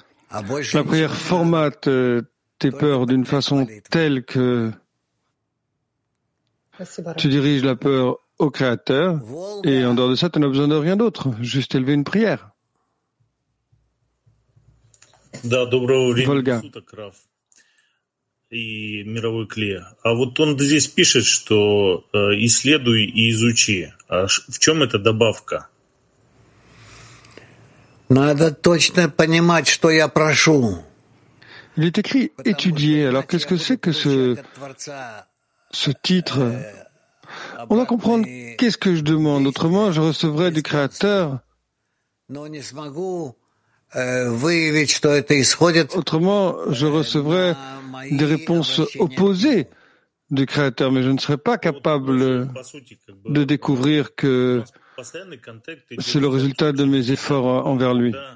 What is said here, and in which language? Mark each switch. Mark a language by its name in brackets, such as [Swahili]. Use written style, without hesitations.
[French] La prière formate tes peurs d'une façon telle que tu diriges la peur au Créateur et en dehors de ça, tu n'as besoin de rien d'autre, juste élever une prière. [Russian] Да, доброго времени суток, Раф и мировой клея. А вот он здесь пишет, что исследуй и изучи. А в чем эта добавка? Надо точно понимать, что я прошу. [French] Il est écrit étudier. Alors qu'est-ce que c'est que ce titre? On va comprendre qu'est-ce que je demande. Autrement, je recevrai du Créateur. [Russian] Но не смогу. Выявить, что это исходит. [French] Autrement, je recevrais des réponses opposées du Créateur, mais je ne serais pas capable de découvrir que c'est le résultat de mes efforts envers lui.